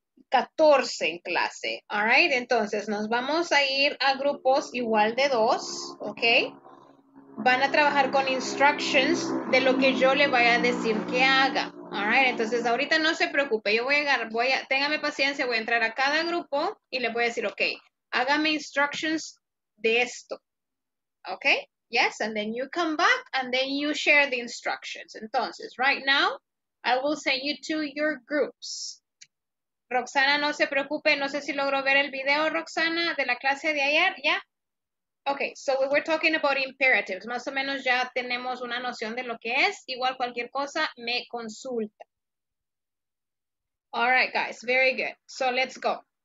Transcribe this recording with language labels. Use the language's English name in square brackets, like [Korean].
[Spanish] 14 en clase. All right, entonces nos vamos a ir a grupos igual de dos, ¿ok? Van a trabajar con instructions de lo que yo le vaya a decir que haga. All right, entonces ahorita no se preocupe, yo téngame paciencia, voy a entrar a cada grupo y le voy a decir, ok, hágame instructions de esto. ¿Ok? [English] Yes, and then you come back and then you share the instructions. Entonces, right now, I will send you to your groups. [Spanish] Roxana, no se preocupe. No sé si logró ver el video, Roxana, de la clase de ayer. Yeah. [English] Okay, so we were talking about imperatives. [Spanish] Más o menos ya tenemos una noción de lo que es. Igual cualquier cosa, me consulta. [English] All right, guys, very good. So let's go.